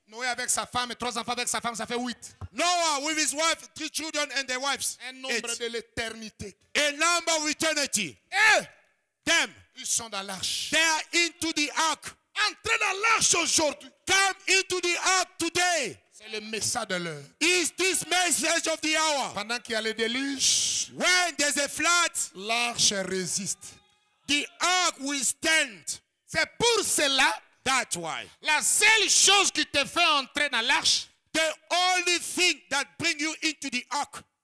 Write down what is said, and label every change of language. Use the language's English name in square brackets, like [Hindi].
[French] Noé avec sa femme et trois enfants avec sa femme, ça fait huit. [English] Noah with his wife, three children and their wives. [French] Un nombre [English] eight. [French] De l'éternité. [English] A number of eternity. [French] Eux, [English] them. [French] Ils sont dans l'arche. [English] They are into the ark. [French] Entrez dans l'arche aujourd'hui. [English] Come into the ark today. [French] C'est le message de l'heure. [English] Is this message of the hour? [French] Pendant qu'il y a le déluge, [English] when there's a flood, [French] l'arche résiste. [English] The ark will stand. [French] C'est pour cela. [English] That's why. [French] La seule chose qui te fait entrer dans l'arche, [English] the only thing that brings you into the ark,